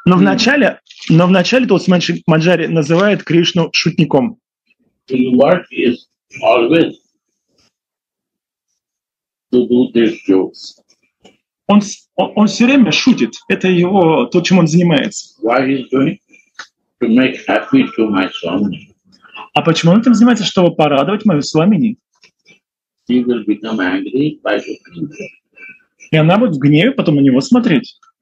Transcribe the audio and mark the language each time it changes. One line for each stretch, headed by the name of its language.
Russian: Но вначале, Тулси Манджари называет Кришну шутником.
English: His work is always to do these jokes.
Russian: Он все время шутит. Это его то, чем он занимается.
English: Why he's doing? To make happy to my son.
Russian: А почему он этим занимается, чтобы порадовать мою свамини?
English: He will become angry by the princess.
Russian: И она будет в гневе потом на него смотреть.